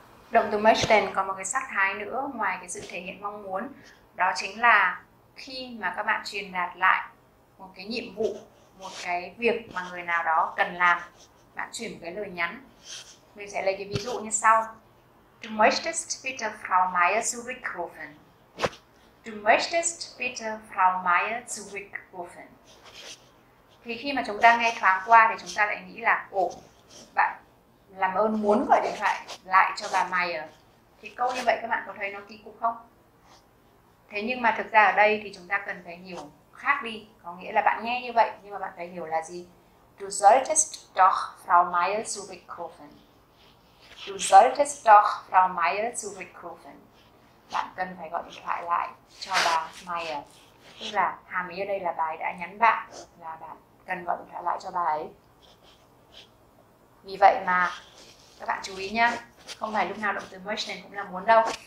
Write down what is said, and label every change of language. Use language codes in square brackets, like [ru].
[vi] Động từ möchten còn một cái sắc thái nữa ngoài cái sự thể hiện mong muốn, đó chính là khi mà các bạn truyền đạt lại một cái nhiệm vụ, một cái việc mà người nào đó cần làm, bạn chuyển một cái lời nhắn. Mình sẽ lấy cái ví dụ như sau. [de] Du möchtest bitte Frau Meier zurückrufen. Du möchtest bitte Frau Meier zurückrufen. [vi] Thì khi mà chúng ta nghe thoáng qua thì chúng ta lại nghĩ là ồ, bạn làm ơn muốn gọi điện thoại lại cho bà Meier. Thì câu như vậy các bạn có thấy nó kỳ cục không? Thế nhưng mà thực ra ở đây thì chúng ta cần phải hiểu khác đi. Có nghĩa là bạn nghe như vậy nhưng mà bạn phải hiểu là gì? [de] Du solltest doch Frau Meier zurückrufen. Du solltest doch Frau Meier zurückrufen. [vi] Bạn cần phải gọi điện thoại lại cho bà Meier. Tức là hàm ý ở đây là bà ấy đã nhắn bạn là bạn cần gọi điện thoại lại cho bà ấy. Vì vậy mà các bạn chú ý nhá, không phải lúc nào động từ möchten cũng là muốn đâu.